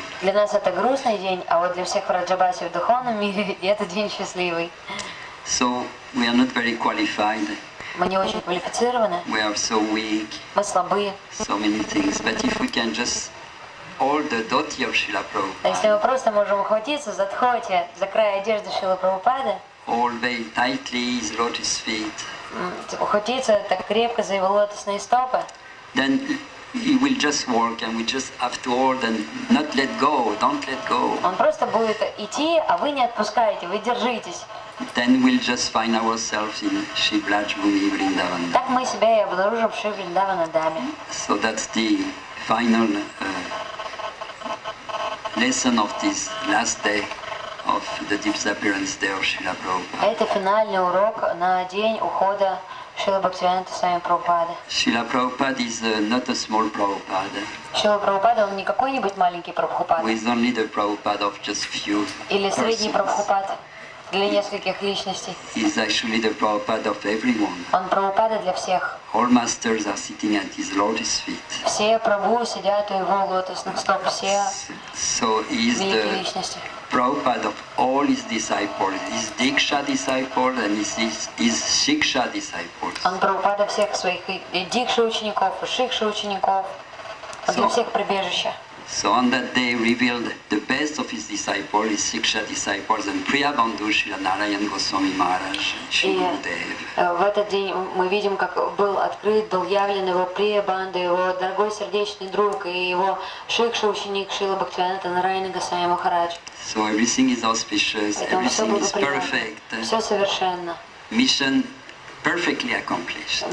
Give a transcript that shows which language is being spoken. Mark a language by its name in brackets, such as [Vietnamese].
[Russian] Для нас это грустный день, а вот для всех Vrajabasi в духовном мире это день счастливый. [English] So we are not very qualified. [Russian] Мы не очень квалифицированы. [English] We are so weak. [Russian] Мы слабы. [English] So many things, but if we can just all the dhoti of Srila Prabhupada. [Russian] Если мы просто можем ухватиться за дхоти, за край одежды Шрилы Прабхупады. [English] All very tightly his lotus feet. [Russian] Ухватиться так крепко за его лотосные стопы. [English] Then he will just walk, and we just have to hold and not let go. Don't let go. [Russian] Он просто будет идти, а вы не отпускаете, вы держитесь. [English] Then we'll just find ourselves in Shri Vraj Bhumi Vrindavan. [Russian] Так мы себя и обнаружим в Шри Вриндавана Даме. [English] So that's the final lesson of this last day of the disappearance day of Srila Prabhupada. [Russian] Это финальный урок на день ухода Шрилы Бхактивинода Свами Прабхупады. [English] Srila Prabhupada is not a small Prabhupada. [Russian] Шрила Прабхупада, он не какой-нибудь маленький Прабхупада. [English] He is only the Prabhupada of just few [Russian] Или средний Прабхупада. Для нескольких личностей. [English] He's actually the Prabhupada of everyone. [Russian] Он Прабхупада для всех. [English] All masters are sitting at his lotus feet. [Russian] Все Прабху сидят у его лотосных стоп. Все великие личности. [English] Prabhupada of all his disciples, his Diksha disciples and his Shiksha disciples. [Russian] Он Прабхупада всех своих Дикша учеников и Шикша учеников. Для всех прибежища. [English] So on that day revealed the best of his disciples, his Shiksha disciples, and Priyabandhu Srila Narayan Goswami Maharaj, Shri Gurudev. [Russian] В этот день мы видим, как был открыт, был явлен его Priyabandhu, его дорогой сердечный друг, и его Шикша ученик Шрила Бхактивинода Нараяна Госвами Махарадж. [English] So everything is auspicious, everything is perfect. [Russian] Все совершенно. [English] Mission perfectly accomplished.